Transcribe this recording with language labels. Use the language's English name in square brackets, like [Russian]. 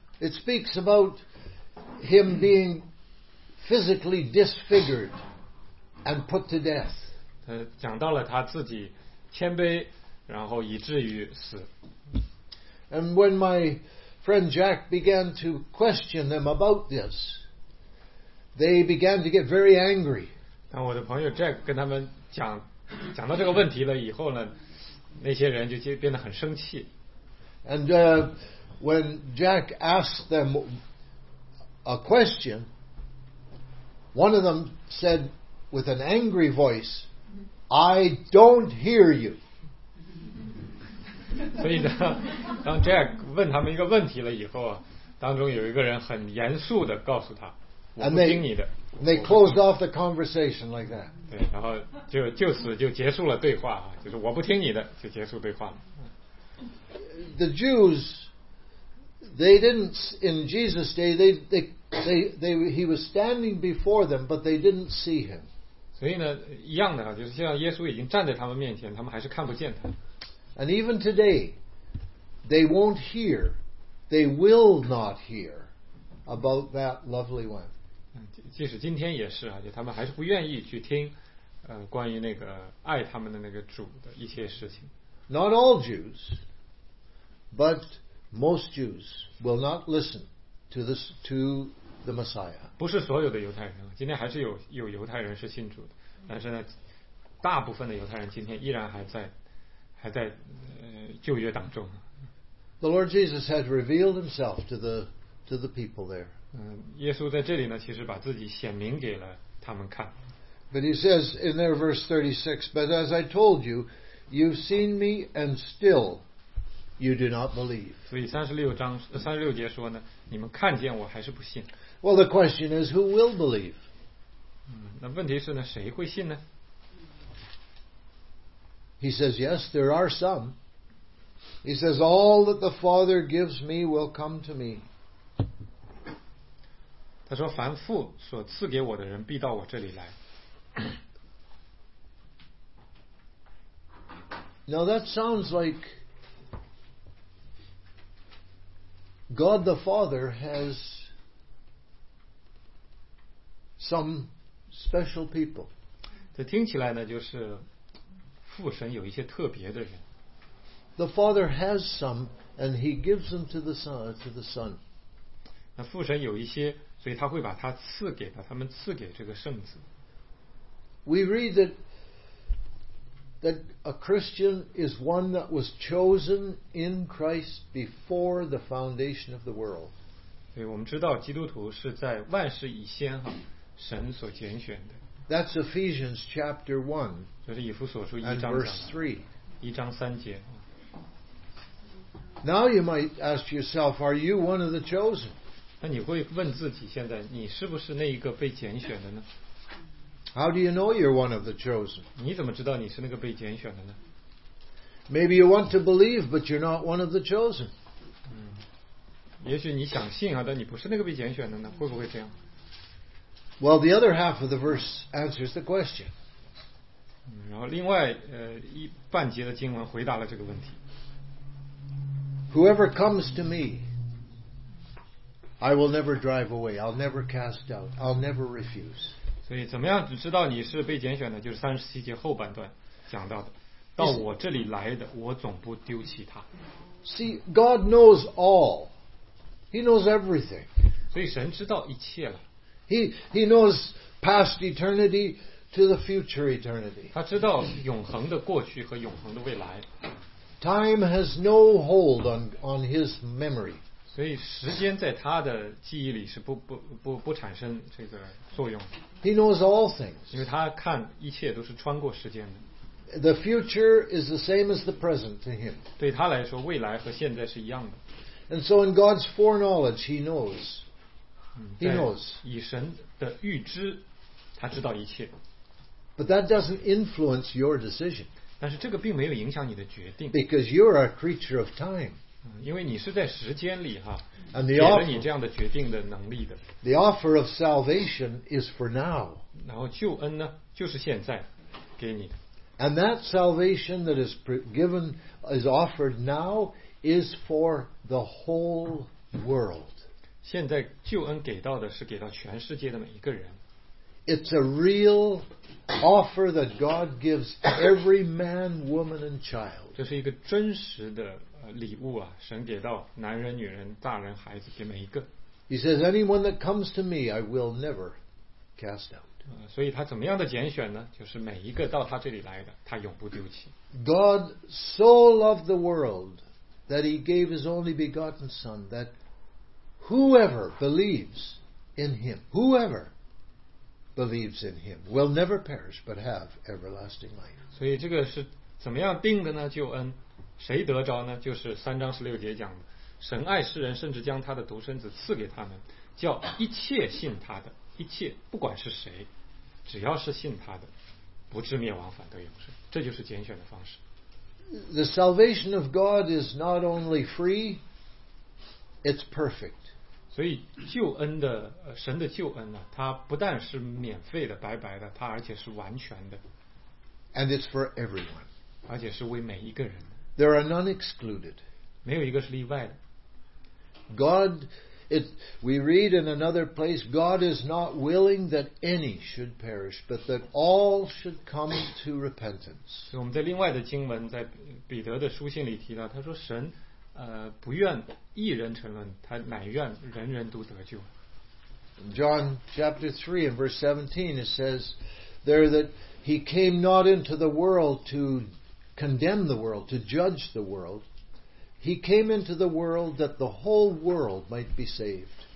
[English] It speaks about him being physically disfigured and put to death. [Chinese] 他讲到了他自己谦卑，然后以至于死。 [English] And when my friend Jack began to question them about this, they began to get very angry. [Chinese] 当我的朋友 Jack 跟他们讲。讲到这个问题了以后呢，那些人就变得很生气。 [English] And when Jack asked them a question, one of them said with an angry voice, "I don't hear you." [Chinese] 所以呢，当 Jack 问他们一个问题了以后，当中有一个人很严肃地告诉他。 [English] And they closed off the conversation like that. [Chinese] 对，然后就此就结束了对话，就是我不听你的，就结束对话了。 [English] The Jews, they didn't in Jesus' day, he was standing before them, but they didn't see him. [Chinese] 所以呢，一样的啊，就是像耶稣已经站在他们面前，他们还是看不见他。 [English] And even today, they won't hear, they will not hear about that lovely one. [Chinese] 即使今天也是啊，就他们还是不愿意去听，关于那个爱他们的那个主的一些事情。 [English] Not all Jews, but most Jews will not listen to the Messiah. [Chinese] 不是所有的犹太人，今天还是有犹太人是信主的，但是呢，大部分的犹太人今天依然还在旧约当中。 [English] The Lord Jesus had revealed Himself to the people there. [Chinese] 耶稣在这里呢，其实把自己显明给了他们看。 [English] But he says in there verse 36, but as I told you, you've seen me and still you do not believe. [Chinese] 所以36节说呢，你们看见我还是不信。 [English] Well, the question is, who will believe? [Chinese] 那问题是呢，谁会信呢？ [English] He says, yes, there are some. He says, all that the Father gives me will come to me. [Chinese] 他说：“凡父所赐给我的人，必到我这里来。” [English] Now that sounds like God the Father has some special people. [Chinese] 这听起来呢，就是父神有一些特别的人。 [English] The Father has some, and He gives them to the Son. [Chinese] 那父神有一些。所以他会把他赐给把他们赐给这个圣子。 [English] We read that a Christian is one that was chosen in Christ before the foundation of the world. [Chinese] 所以我们知道基督徒是在万事以先哈神所拣选的。 [English] That's Ephesians chapter 1. [Chinese] 这是以弗所书一章 [English] verse 3. [Chinese] 一章三节。 [English] Now you might ask yourself, are you one of the chosen? [Chinese] 那你会问自己，现在你是不是那一个被拣选的呢 [English] ？How do you know you're one of the chosen？ [Chinese] 你怎么知道你是那个被拣选的呢 [English] ？Maybe you want to believe, but you're not one of the chosen。 [Chinese] 也许你想信啊，但你不是那个被拣选的呢，会不会这样 [English] ？Well, the other half of the verse answers the question。 [Chinese] 然后另外一半节的经文回答了这个问题。 [English] Whoever comes to me。 I will never drive away. I'll never cast out. I'll never refuse. [Chinese] 所以怎么样知道你是被拣选的？就是三十七节后半段讲到的，到我这里来的，我总不丢弃他。 [English] See, God knows all. He knows everything. [Chinese] 所以神知道一切了。 [English] He knows past eternity to the future eternity. [Chinese] 他知道永恒的过去和永恒的未来。 [English] Time has no hold on his memory. [Chinese] 所以时间在他的记忆里是不产生这个作用。 [English] He knows all things. [Chinese] 因为他看一切都是穿过时间的。 [English] The future is the same as the present to him. [Chinese] 对他来说，未来和现在是一样的。 [English] And so, in God's foreknowledge, he knows. He knows. [Chinese] 以神的预知，他知道一切。 [English] But that doesn't influence your decision. [Chinese] 但是这个并没有影响你的决定。 [English] Because you're a creature of time. [Chinese] 因为你是在时间里哈。 [English] And the offer. [Chinese] 给了你这样的决定的能力的。 [English] The offer of salvation is for now. [Chinese] 然后救恩呢，就是现在，给你的。 [English] And that salvation that is given, is offered now, is for the whole world. [Chinese] 现在救恩给到的是给到全世界的每一个人。 [English] It's a real offer that God gives every man, woman, and child. [Chinese] 这是一个真实的礼物啊，神给到男人、女人、大人、孩子，给每一个。 [English] He says, "Anyone that comes to me, I will never cast out." [Chinese] 所以他怎么样的拣选呢？就是每一个到他这里来的，他永不丢弃。 [English] God so loved the world that he gave his only begotten Son that whoever believes in him, whoever believes in him, will never perish but have everlasting life. [Chinese] 所以这个是怎么样定的呢？救恩，谁得着呢？就是三章十六节讲的，神爱世人，甚至将他的独生子赐给他们，叫一切信他的。一切不管是谁，只要是信他的，不至灭亡，反得永生。这就是拣选的方式。 [English] The salvation of God is not only free, it's perfect. [Chinese] 所以救恩的神的救恩呢，它不但是免费的、白白的，它而且是完全的。 [English] And it's for everyone. [Chinese] 而且是为每一个人的。 [English] There are none excluded. [Chinese] 没有一个是例外的。 [English] God. We read in another place, God is not willing that any should perish, but that all should come to repentance. [Chinese] 我们在另外的经文，在彼得的书信里提到，他说神，不愿一人沉沦，他乃愿人人都得救。 [English] John chapter 3 and verse 17, it says there that he came not into the world to condemn the world, to judge the world. He came into the world that the whole world might be saved.